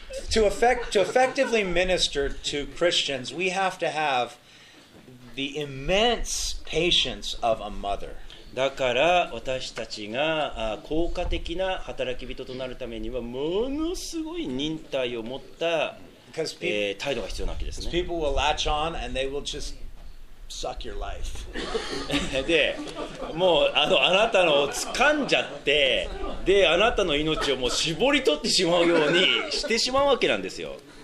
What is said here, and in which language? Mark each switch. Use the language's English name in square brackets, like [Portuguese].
[English] To effectively minister to Christians, we have to have the immense patience of a mother. [Japanese] だから私たちが効果的な働き人となるためにはものすごい忍耐を持った態度が必要なわけですね。 [English] People will latch on and they will just suck your life. [Japanese] で、もうあなたのを掴んじゃって、で、あなたの命をもう絞り取ってしまうようにしてしまうわけなんですよ。